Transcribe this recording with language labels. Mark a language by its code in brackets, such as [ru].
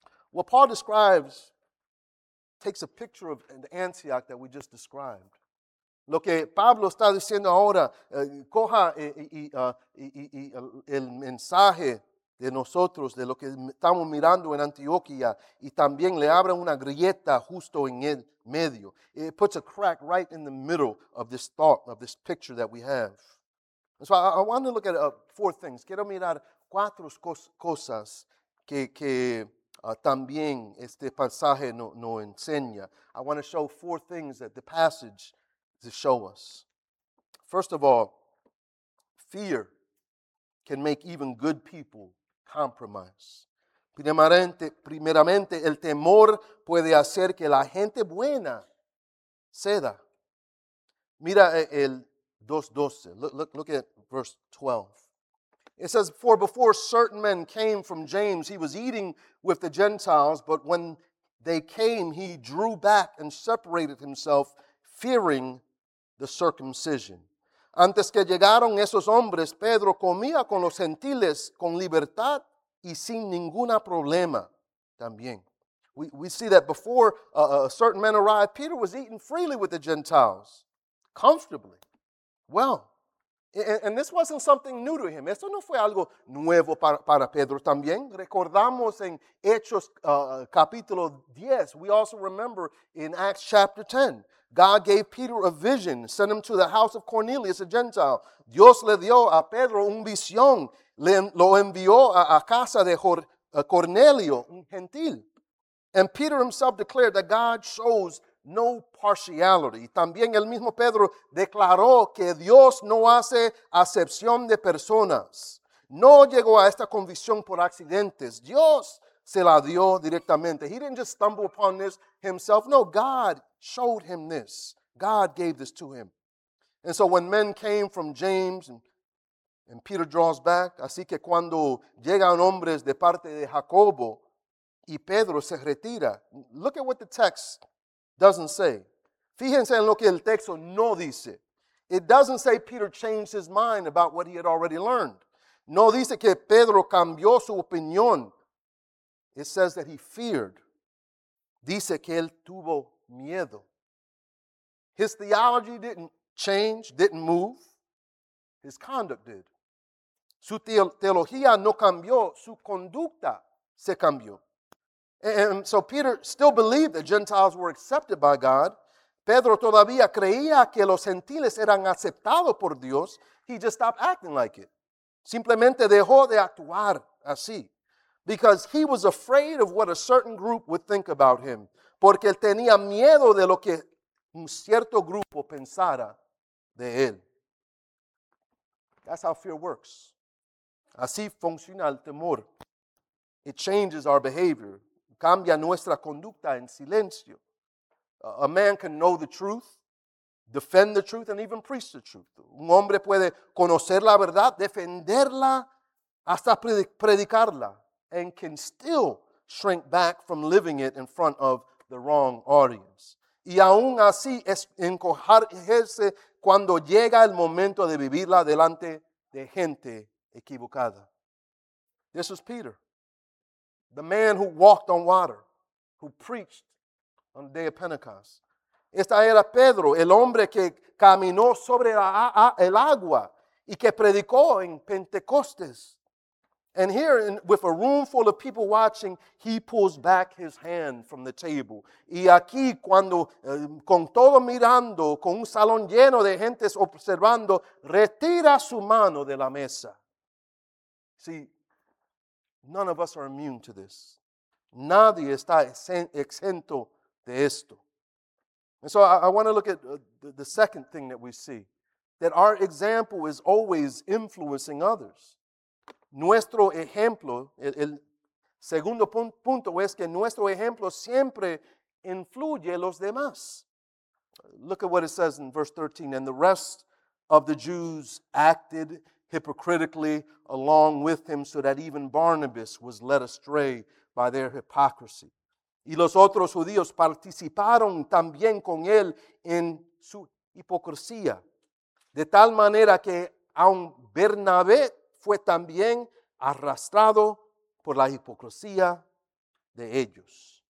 [en] What Paul describes takes a picture of the Antioch that we just described. [es] Lo que Pablo está diciendo ahora, coja el mensaje de nosotros, de lo que estamos mirando en Antioquia, y también le abre una grieta justo en el medio. [en] It puts a crack right in the middle of this thought, of this picture that we have. And so I want to look at four things. [es] Quiero mirar cuatro cosas que también este pasaje no enseña. [en] I want to show four things that the passage to show us. First of all, fear can make even good people compromise. [es] Primeramente, el temor puede hacer que la gente buena ceda. Mira el 2:12. [en] Look at verse 12. It says, "For before certain men came from James, he was eating with the Gentiles, but when they came, he drew back and separated himself, fearing the circumcision." [es] Antes que llegaron esos hombres, Pedro comía con los gentiles con libertad y sin ninguna problema también. [en] We see that before a certain man arrived, Peter was eating freely with the Gentiles, comfortably, well. And this wasn't something new to him. [es] Esto no fue algo nuevo para Pedro también. Recordamos en Hechos capítulo 10, [en] we also remember in Acts chapter 10, God gave Peter a vision, sent him to the house of Cornelius, a Gentile. [es] Dios le dio a Pedro un visión, lo envió a casa de Cornelio, un gentil. [en] And Peter himself declared that God shows no partiality. [es] También el mismo Pedro declaró que Dios no hace acepción de personas. No llegó a esta convicción por accidentes. Dios se la dio directamente. [en] He didn't just stumble upon this himself. No, God showed him this. God gave this to him. And so when men came from James and Peter draws back, [es] así que cuando llegan hombres de parte de Jacobo y Pedro se retira, [en] look at what the text doesn't say. [es] Fíjense en lo que el texto no dice. [en] It doesn't say Peter changed his mind about what he had already learned. [es] No dice que Pedro cambió su opinión [en] It says that he feared. [es] Dice que él tuvo miedo. [en] His theology didn't change, didn't move. His conduct did. [es] Su teología no cambió, su conducta se cambió. [en] And so Peter still believed that Gentiles were accepted by God. [es] Pedro todavía creía que los gentiles eran aceptados por Dios. [en] He just stopped acting like it. [es] Simplemente dejó de actuar así. [en] Because he was afraid of what a certain group would think about him. [es] Porque él tenía miedo de lo que un cierto grupo pensara de él. [en] That's how fear works. [es] Así funciona el temor. [en] It changes our behavior. [es] Cambia nuestra conducta en silencio. [en] A man can know the truth, defend the truth, and even preach the truth. [es] Un hombre puede conocer la verdad, defenderla, hasta predicarla, [en] and can still shrink back from living it in front of the wrong audience. [es] Y aún así es encojarse cuando llega el momento de vivirla delante de gente equivocada. [en] This was Peter, the man who walked on water, who preached on the day of Pentecost. [es] Esta era Pedro, el hombre que caminó sobre el agua y que predicó en Pentecostés. [en] And here, with a room full of people watching, he pulls back his hand from the table. [es] Y aquí, cuando con todo mirando, con un salón lleno de gentes observando, retira su mano de la mesa. [en] See, none of us are immune to this. [es] Nadie está exento de esto. [en] And so I want to look at the second thing that we see, that our example is always influencing others. [es] Nuestro ejemplo, el segundo punto es que nuestro ejemplo siempre influye los demás. [en] Look at what it says in verse 13. And the rest of the Jews acted hypocritically along with him, so that even Barnabas was led astray by their hypocrisy. [es] Y los otros judíos participaron también con él en su hipocresía, de tal manera que aun Bernabé fue también arrastrado por la hipocresía de ellos.